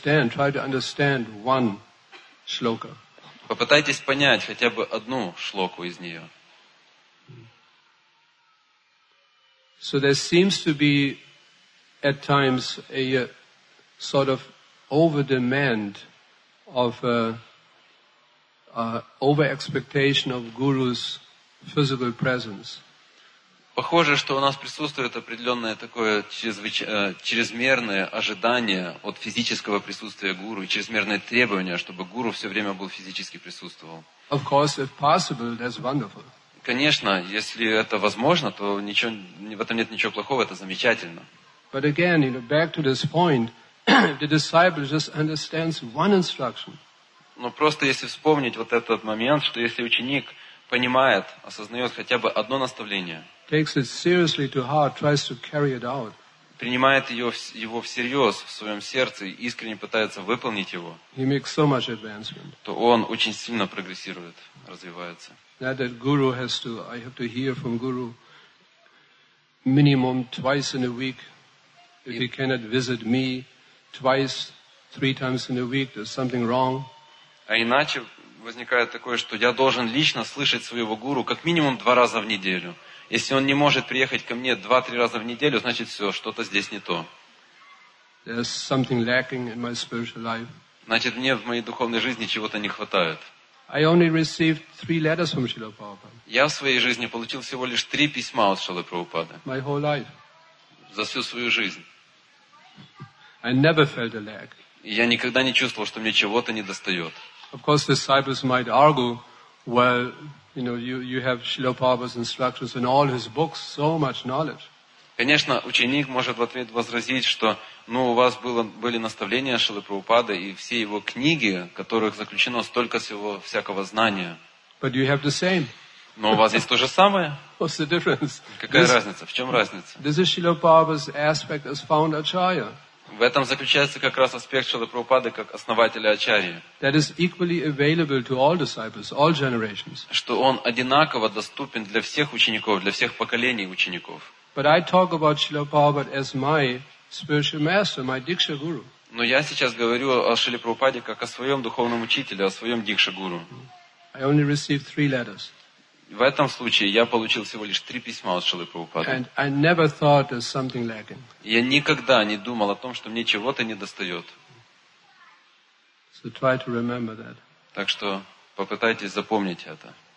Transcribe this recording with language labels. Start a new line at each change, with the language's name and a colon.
English: Try to understand one shloka.
Russian: Попытайтесь понять хотя бы одну шлоку из нее.
English: So there seems to be at times a sort of over-demand of over expectation of guru's physical presence.
Russian: Похоже, что у нас присутствует определенное такое чрезмерное ожидание от физического присутствия гуру и чрезмерное требование, чтобы гуру все время был физически присутствовал.
English: Of course, if possible, that's wonderful.
Russian: Конечно, если это возможно, то ничего, в этом нет ничего плохого, это замечательно.
English: But again, you know, back to this point, the disciple just understands one instruction.
Russian: Но просто если вспомнить вот этот момент, что если ученик понимает, осознает хотя бы одно наставление,
English: takes it seriously to heart, tries to carry it out,
Russian: принимает его всерьез в своем сердце и искренне пытается выполнить его,
English: he makes so much advancement.
Russian: То он очень сильно прогрессирует, развивается.
English: That guru has to, I have to hear from guru minimum twice in a week. If he cannot visit me twice, three times in a week, there's something wrong.
Russian: А иначе возникает такое, что я должен лично слышать своего гуру как минимум два раза в неделю. Если он не может приехать ко мне 2-3 раза в неделю, значит все, что-то здесь не то.
English: There's something lacking in my spiritual life.
Russian: Значит, мне в моей духовной жизни чего-то не хватает.
English: I only received 3 letters from Srila Prabhupada.
Russian: Я в своей жизни получил всего лишь 3 письма от Шрилы Прабхупады.
English: My whole life.
Russian: За всю свою жизнь.
English: I never felt a lack.
Russian: И я никогда не чувствовал, что мне чего-то не достает.
English: Of course, disciples might argue, well, you know, you have Srila Prabhupada's instructions in all his books, so much knowledge.
Russian: Конечно, ученик может в ответ возразить, что, ну, у вас были наставления Шрилы Прабхупады и все его книги, в которых заключено столько всего всякого знания.
English: But you have the same.
Russian: Но у вас есть то же самое.
English: What's the difference?
Russian: Какая разница? В чем разница?
English: This is Srila Prabhupada's aspect as founder acharya.
Russian: В этом заключается как раз аспект Шрилы Прабхупады как основателя ачарьи.
English: That is equally available to all disciples, all generations.
Russian: Что он одинаково доступен для всех учеников, для всех поколений учеников.
English: But I talk about Srila Prabhupada as my spiritual master, my Diksha guru.
Russian: Но я сейчас говорю о Шриле Прабхупаде как о своем духовном учителе, о своем дикша-гуру.
English: I only received three letters.
Russian: В этом случае я получил всего лишь три письма от Шрилы Прабхупады.
English: And I never thought there's something lacking.
Russian: Я никогда не думал о том, что мне чего-то не достает.
English: So try to remember that.
Russian: Так что попытайтесь запомнить это.